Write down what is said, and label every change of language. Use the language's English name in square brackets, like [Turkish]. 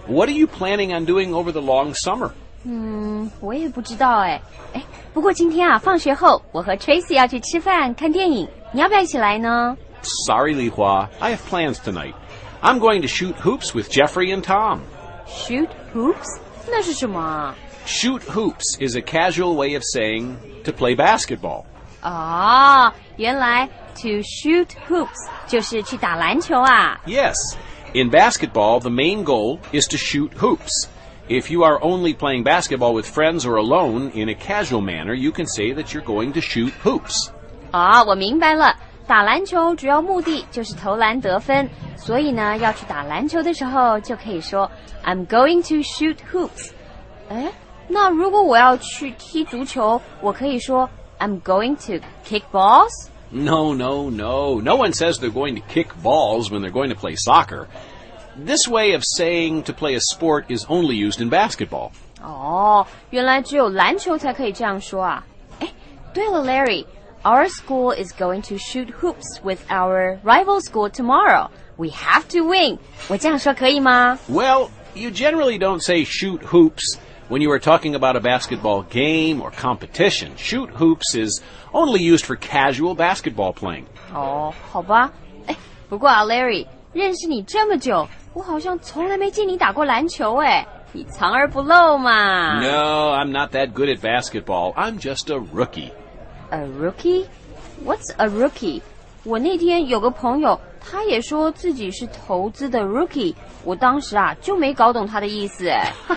[English] What are you planning on doing over the long summer? [Chinese] 我也不知道哎。哎，不过今天啊，放学后我和 Tracy 要去吃饭看电影，你要不要一起来呢？ [English] Sorry, Li Hua. I have plans tonight. I'm going to shoot hoops with Jeffrey and Tom. Shoot hoops? [Chinese] 那是什么啊？ [English] Shoot hoops is a casual way of saying to play basketball. [Chinese] Oh, 原来 [English] to shoot hoops [Chinese] 就是去打篮球啊。 [English] Yes, in basketball, the main goal is to shoot hoops. If you are only playing basketball with friends or alone in a casual manner, you can say that you're going to shoot hoops. [Chinese] Oh, 我明白了。打篮球主要目的就是投篮得分，所以呢，要去打篮球的时候就可以说 [English] I'm going to shoot hoops. [Chinese] 哎，那如果我要去踢足球，我可以说 [English] I'm going to kick balls? No, no, no. No one says they're going to kick balls when they're going to play soccer. This way of saying to play a sport is only used in basketball. [Chinese] 哦，原来只有篮球才可以这样说啊。哎，对了 [English] Larry, our school is going to shoot hoops with our rival school tomorrow. We have to win. [Chinese] 我这样说可以吗？ [English] Well, you generally don't say shoot hoops. When you are talking about a basketball game or competition, shoot hoops is only used for casual basketball playing. [Chinese] Oh, 好吧。哎，不过啊 ，Larry， 认识你这么久，我好像从来没见你打过篮球哎。你藏而不露嘛。 [English] No, I'm not that good at basketball. I'm just a rookie. A rookie? What's a rookie? [Chinese] 我那天有个朋友，他也说自己是投资的 rookie， 我当时啊就没搞懂他的意思哎。